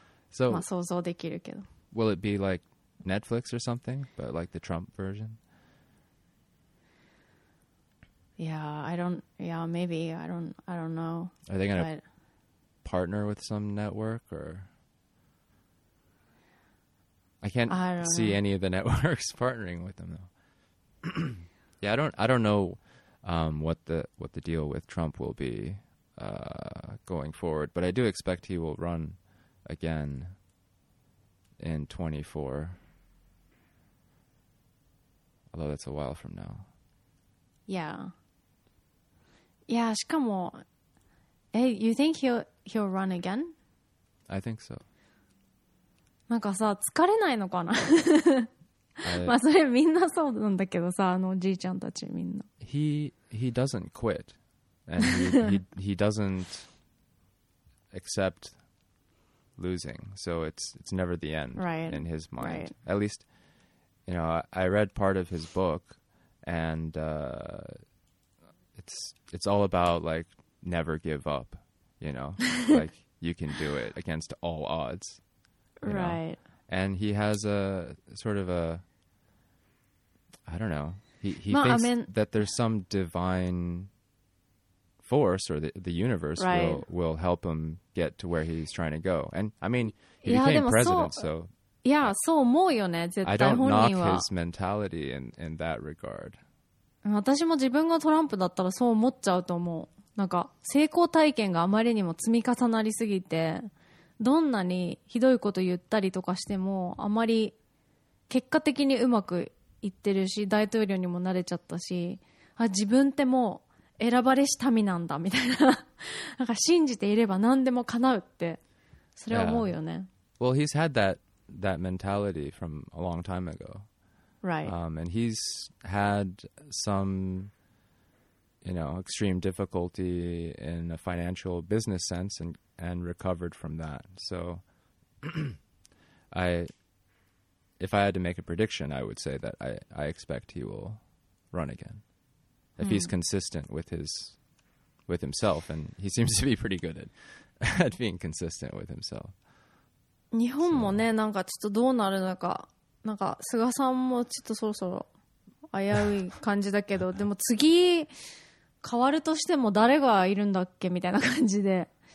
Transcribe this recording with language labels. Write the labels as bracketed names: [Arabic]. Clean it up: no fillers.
[English] so, [Japanese] まあ想像できるけど。 [English] Will it be like Netflix or something, but like the Trump version? Yeah, I don't. Yeah, maybe. I don't know. Are they gonna partner with some network or? I can't see any of the networks partnering with them though. Yeah, I don't know what the deal with Trump will be going forward, but I do expect he will run again. In 24 although that's a while from now yeah yeah [Japanese] しかも [English] hey, you think he'll run again? I think so [Japanese] なんかさ疲れないのかな まあそれみんなそうなんだけどさあのおじいちゃんたちみんな [English] he doesn't quit and he doesn't accept losing so it's never the end right. in his mind right. at least you know I read part of his book and it's all about like never give up you know like you can do it against all odds right know? And he has a sort of a I don't know he well, thinks I mean, that there's some divine force or the universe right. will help him get to where he's trying to go and I mean he became president so yeah [Japanese] そう思うよね絶対 [English] I don't knock his mentality in that regard [Japanese] 私も自分がトランプだったらそう思っちゃうと思うなんか成功体験があまりにも積み重なりすぎてどんなにひどいこと言ったりとかしてもあまり結果的にうまくいってるし大統領にもなれちゃったしあ自分ってもう選ばれし民なんだみたいななんか信じていれば何でも叶うってそれは思うよね、 [English] yeah. Well he's had that mentality from a long time ago Right And he's had some you know extreme difficulty in a financial business sense and recovered from that So If I had to make a prediction I would say that I expect he will run againIf he's consistent with himself, and he seems to be pretty good at being consistent with himself. [Japanese] 日本もね、なんかちょっとどうなるのか、なんか菅さんもちょっとそろそろ危うい感じだけど、でも次変わるとしても誰がいるんだっけみたいな感じで。